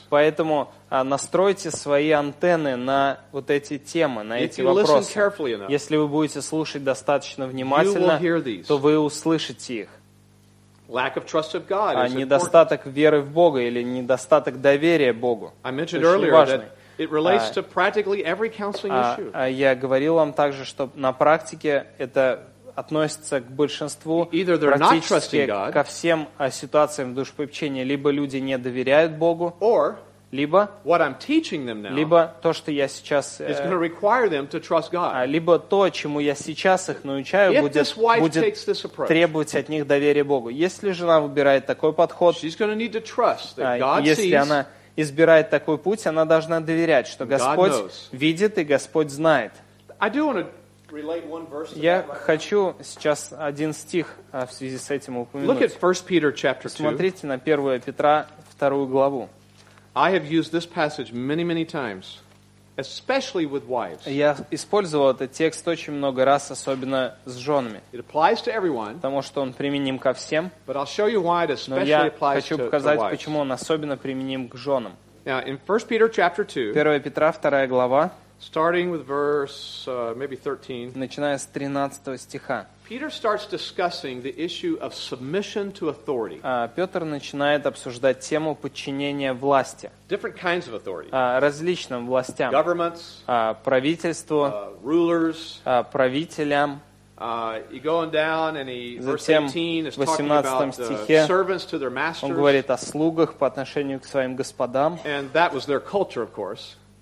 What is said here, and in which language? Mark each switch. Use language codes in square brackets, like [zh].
[ru] Поэтому настройте свои антенны на вот эти темы, на эти вопросы. Если вы будете слушать достаточно внимательно, то вы услышите их. [en] Lack of trust of God is [ru] недостаток веры в Бога или недостаток доверия Богу. [en] I mentioned earlier that it relates to practically every counseling issue. [ru] Я говорил вам также, что на практике это относятся к большинству, практически ко всем ситуациям в душепопечении. Либо люди не доверяют Богу, [en] or, [ru] либо, [en] what I'm teaching them now, [ru] либо то, что я сейчас... [en] is going to require them to trust God. [ru] Либо то, чему я сейчас их научаю, будет требовать от них доверия Богу. Если жена выбирает такой подход, [en] she's going to need to trust that God [ru] если [en] sees, [ru] она избирает такой путь, она должна доверять, что Господь [en] God knows. [ru] Видит и Господь знает. [en] I do want to... Relate one verse to [ru] Я хочу сейчас один стих в связи с этим упомянуть. [en] Look at 1 Peter chapter 2. [ru] Смотрите на 1 Петра 2 главу. [en] I have used this passage many, many times, especially with wives. [ru] Я использовал этот текст очень много раз, особенно с женами. [en] It applies to everyone, [ru] потому что он применим ко всем. [en] But I'll show you why it especially applies to wives. [ru] Но я хочу показать, почему он особенно применим к женам. [en] Now, in 1 Peter chapter 2. [ru] 1 Петра 2 глава. [en] Starting with verse maybe 13. [ru] Начиная с 13 стиха. [en] Peter starts discussing the issue of submission to authority. [ru] Петр начинает обсуждать тему подчинения власти. [en] Different kinds of authority. [ru] Различным властям. [en] Governments. [ru] Правительству. [en] Rulers. [ru] Правителям. [en] You go on down and verse 18 is [ru] 18 [en] talking [ru] стихе, [en] about the servants to their masters. [ru] Он говорит о слугах по отношению к своим господам. [en] And that was their culture, of course.